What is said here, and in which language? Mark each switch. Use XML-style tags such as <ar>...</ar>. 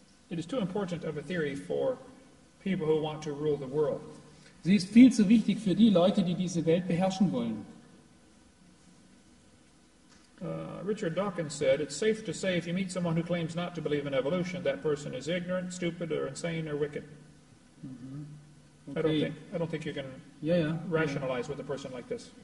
<en>It is too important of a theory for people who want to rule the world.</en> <de>Sie ist viel zu wichtig für die Leute, die diese Welt beherrschen wollen.</de> <en>Richard Dawkins said, it's safe to say if you meet someone who claims not to believe in evolution, that person is ignorant, stupid, or insane, or wicked. Mm-hmm. Okay. I don't think you can rationalize with a person like this.</en>